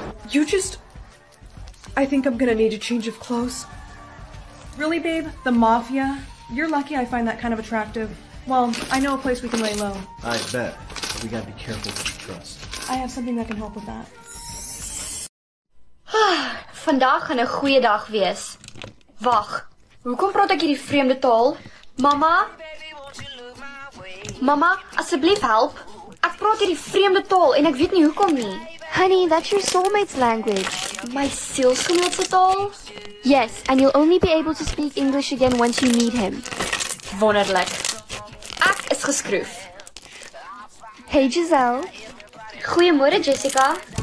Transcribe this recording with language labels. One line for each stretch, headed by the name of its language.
English: You just... I think I'm gonna need a change of clothes. Really, babe? The Mafia? You're lucky I find that kind of attractive. Well, I know a place we can lay low. I bet. We gotta be careful with the trust. I have something that can help with that.
Afrikaans: Vandaag gaan 'n goeie dag wees. Wag. Hoekom praat ek hierdie vreemde taal? Mama? Mama, asseblief help. Ek praat hierdie vreemde taal en ek weet nie hoekom nie.
English: Honey, that's your soulmate's language. My soulmate's at all? Yes, and you'll only be able to speak English again once you meet him.
Afrikaans: Wonderlik. Ek is geskroef.
English: Hey, Giselle.
Afrikaans: Goeiemôre, Jessica.